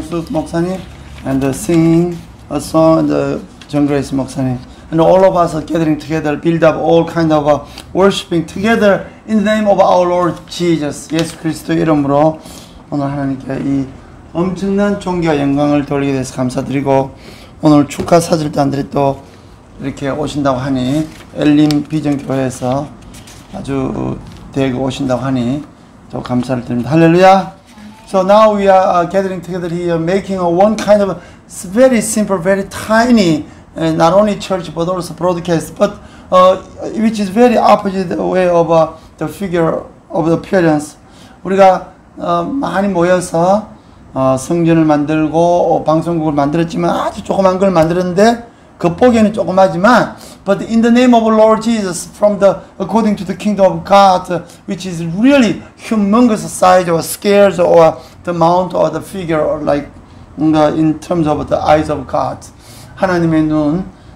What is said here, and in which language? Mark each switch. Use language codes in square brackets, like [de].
[en] 목사님, and sing a song, the John Grace 목사님. and all of us are gathering together, build up all kind of worshiping together in the name of our Lord Jesus, [ko] 예수 그리스도 이름으로 오늘 하나님께 이 엄청난 존귀와 영광을 돌리게 돼서 감사드리고 오늘 축하 사절단들이 또 이렇게 오신다고 하니 엘림 비전교회에서 아주 대거 오신다고 하니 또 감사를 드립니다. 할렐루야! [en] So now we are gathering together here, making a one kind of very simple, very tiny, not only church but also broadcast, but which is very opposite way of the figure of the appearance. [ko] 우리가 많이 모여서 성전을 만들고 방송국을 만들었지만 아주 조그만 걸 만들었는데 겉보기에는 조그마지만 [en] but in the name of the Lord Jesus from the according to the kingdom of God which is really humongous size or scales or the mount or the figure or like in terms of the eyes of God [ko] 하나님의 눈